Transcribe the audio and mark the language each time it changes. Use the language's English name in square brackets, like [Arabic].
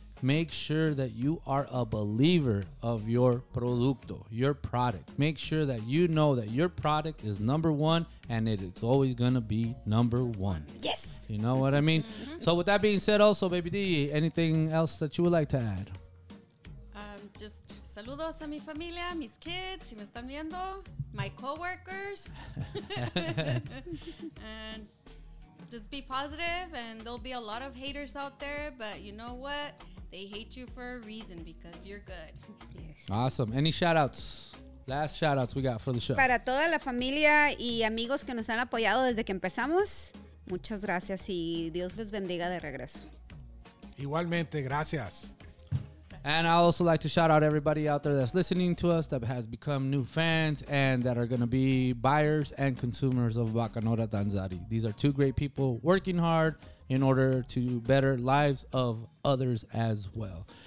[English] make sure that you are a believer of your producto, your product. Make sure that you know that your product is number one and it is always going to be number one. Yes. You know what I mean? Mm-hmm. So with that being said also, Baby D, anything else that you would like to add? [Spanish] Just saludos a mi familia, mis kids, si me están viendo, [English] my coworkers. And just be positive, and there'll be a lot of haters out there, but you know what? They hate you for a reason, because you're good. Yes. Awesome. Any shout-outs? Last shout-outs we got for the show. [Spanish] Para toda la familia y amigos que nos han apoyado desde que empezamos, muchas gracias y Dios les bendiga de regreso. Igualmente, gracias. [English] And I also like to shout out everybody out there that's listening to us, that has become new fans, and that are going to be buyers and consumers of Bacanora Danzari. These are two great people working hard in order to better lives of others as well.